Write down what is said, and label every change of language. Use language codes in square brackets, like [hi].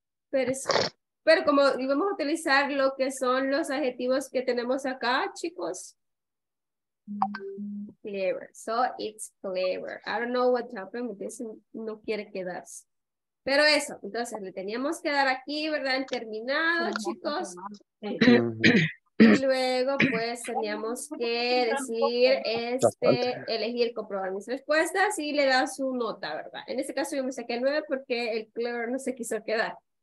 [es] Pero como íbamos a utilizar lo que son los adjetivos que tenemos acá, chicos. [en] Clever. So it's clever. I don't know what happened, but this [es] no quiere quedarse. Pero eso, entonces le teníamos que dar aquí, ¿verdad? En terminado, chicos. Y luego, pues, teníamos que decir, elegir, comprobar mis respuestas y le da su nota, ¿verdad? En este caso yo me saqué 9 porque el clever no se quiso quedar.